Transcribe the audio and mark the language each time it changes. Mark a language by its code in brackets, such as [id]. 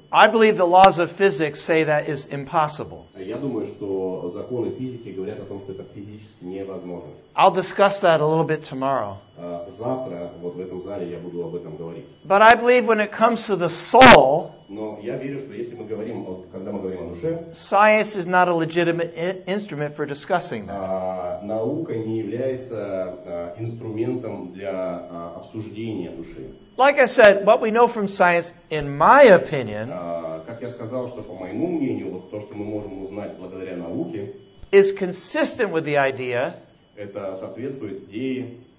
[en] I believe the laws of physics say that is impossible. [ru] Я думаю, что законы физики говорят о том, что это физически невозможно. [en] I'll discuss that a little bit tomorrow. [ru] Завтра, вот в этом зале, я буду об этом говорить. [en] But I believe when it comes to the soul, [ru] но я верю, что если мы говорим, когда мы говорим о душе, [en] science is not a legitimate instrument for discussing that. [ru] Наука не является инструментом для обсуждения души. [en] Like I said, what we know from science, in my opinion, [ru] как я сказал, что по моему мнению, вот то, что мы можем узнать благодаря науке, [en] is consistent with the idea, [ru] это соответствует идее,